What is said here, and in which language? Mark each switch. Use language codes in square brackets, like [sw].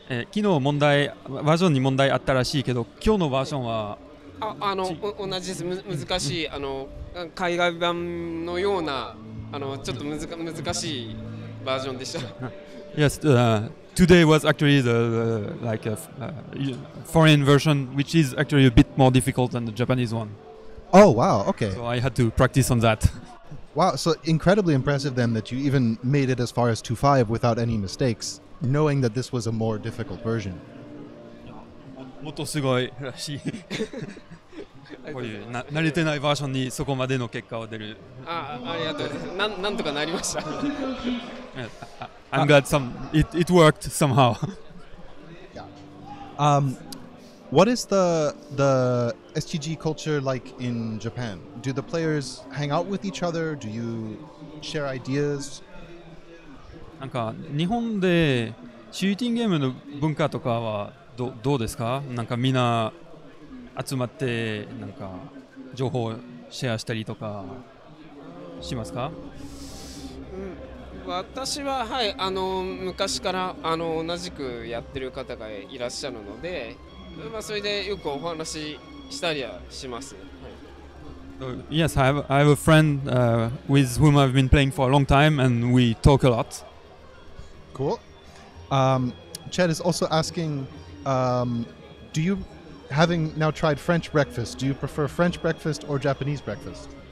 [ja] 昨日問題、バージョンに問題あったらしいけど、今日のバージョンは同じです。難しい、あの海外版のようなあのちょっと難しいバージョンでした。 [en] Yes, today was actually the like a foreign version, which is actually a bit more difficult than the Japanese one. Oh wow, okay. So I had to practice on that. Wow, so incredibly impressive then that you even made it as far as 2-5 without any mistakes. Knowing that this was a more difficult version. [ja] もっとすごいらしい。こういう慣れてないバージョンにそこまでの結果は出る。ありがとうございます。なんとかなりました。 [en] I'm glad it worked somehow. Yeah. What is the STG culture like in Japan? Do the players hang out with each other? Do you share ideas? [ja] なんか日本でシューティングゲームの文化とかはどうですか？なんかみんな集まってなんか情報をシェアしたりとかしますか？私は、はい、あの昔からあの同じくやってる方がいらっしゃるので、まあ、それでよくお話ししたりはします。 [en] So, yes, I have a friend with whom I've been playing for a long time, and we talk a lot. Cool. Chad is also asking, do you, having now tried French breakfast, do you prefer French breakfast or Japanese breakfast?